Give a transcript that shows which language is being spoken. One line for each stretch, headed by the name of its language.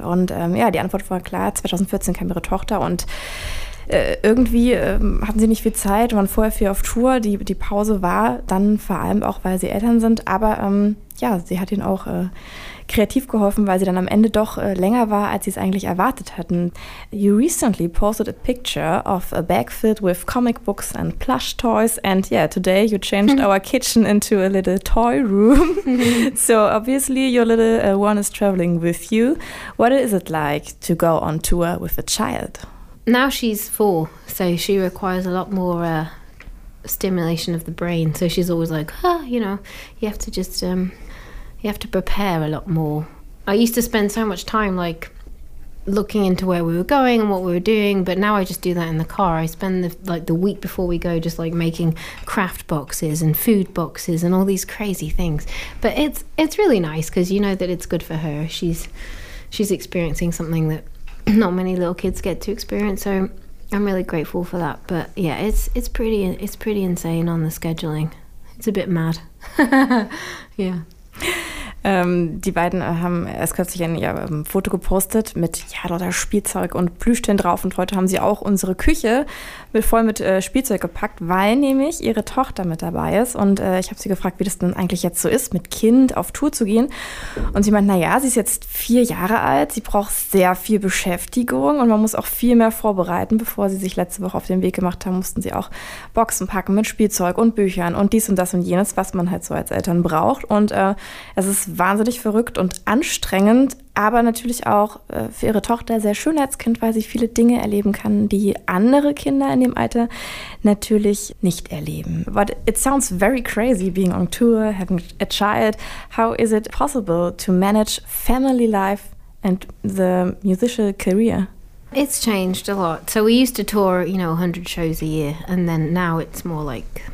German: Und ja, die Antwort war klar, 2014 kam ihre Tochter und irgendwie hatten sie nicht viel Zeit, waren vorher viel auf Tour. Die Pause war dann vor allem auch, weil sie Eltern sind. Aber ja, sie hat ihnen auch kreativ geholfen, weil sie dann am Ende doch länger war, als sie es eigentlich erwartet hatten.
English: You recently posted a picture of a bag filled with comic books and plush toys, and yeah, today you changed our kitchen into a little toy room. So obviously your little one is traveling with you. What is it like to go on tour with a child? Now she's 4, so she requires a lot more stimulation of the brain. So she's always like, huh, you know, you have to just... You have to prepare a lot more. I used to spend so much time, like, looking into where we were going and what we were doing, but now I just do that in the car. I spend, the week before we go just, like, making craft boxes and food boxes and all these crazy things. But it's really nice because you know that it's good for her. She's experiencing something that not many little kids get to experience, so I'm really grateful for that. But, yeah, it's pretty insane on the scheduling. It's a bit mad. Yeah.
German: Die beiden haben erst kürzlich ein Foto gepostet mit lauter Spielzeug und Plüschtieren drauf, und heute haben sie auch unsere Küche voll mit Spielzeug gepackt, weil nämlich ihre Tochter mit dabei ist, und ich habe sie gefragt, wie das denn eigentlich jetzt so ist, mit Kind auf Tour zu gehen, und sie meint, naja, sie ist jetzt 4 Jahre alt, sie braucht sehr viel Beschäftigung und man muss auch viel mehr vorbereiten. Bevor sie sich letzte Woche auf den Weg gemacht haben, mussten sie auch Boxen packen mit Spielzeug und Büchern und dies und das und jenes, was man halt so als Eltern braucht, und es ist wahnsinnig verrückt und anstrengend, aber natürlich auch für ihre Tochter sehr schön als Kind, weil sie viele Dinge erleben kann, die andere Kinder in dem Alter natürlich nicht erleben.
English: But it sounds very crazy being on tour, having a child. How is it possible to manage family life and the musical career? It's changed a lot. So we used to tour, you know, 100 shows a year, and then now it's more like